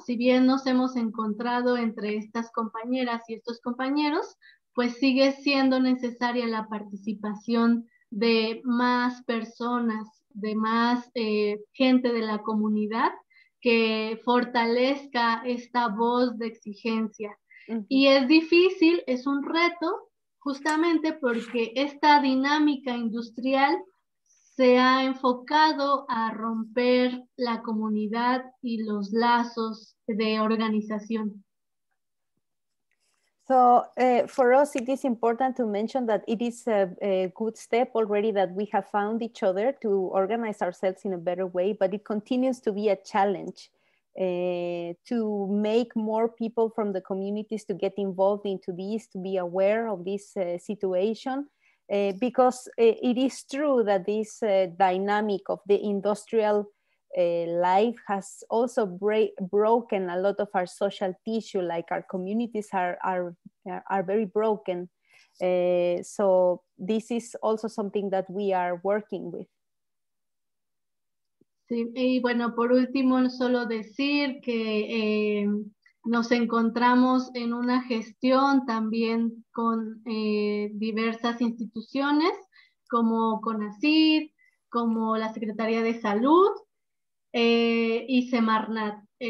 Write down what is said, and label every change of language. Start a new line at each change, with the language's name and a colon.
Spanish: Si bien nos hemos encontrado entre estas compañeras y estos compañeros, pues sigue siendo necesaria la participación de más personas, de más gente de la comunidad que fortalezca esta voz de exigencia. Uh-huh. Y es difícil, es un reto, justamente porque esta dinámica industrial se ha enfocado a romper la comunidad y los lazos de organización.
English: So for us, it is important to mention that it is a good step already that we have found each other to organize ourselves in a better way, but it continues to be a challenge to make more people from the communities to get involved into this, to be aware of this situation, because it is true that this dynamic of the industrial life has also broken a lot of our social tissue, like our communities are very broken. So this is also something that we are working with.
Spanish: Sí, y bueno, por último, solo decir que nos encontramos en una gestión también con diversas instituciones como CONACYT, como la Secretaría de Salud, y Semarnat.